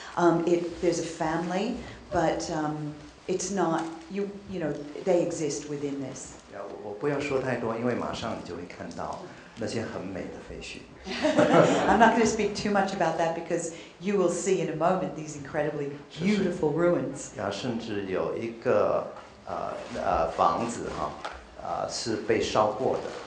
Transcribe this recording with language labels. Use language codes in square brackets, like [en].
[en] There's a family, but it's not you know, they exist within this. [zh] Yeah, 我不要说太多，因为马上你就会看到那些很美的废墟。 [en] I'm not going to speak too much about that because you will see in a moment these incredibly beautiful ruins. [zh] 甚至有一个房子哈，是被烧过的。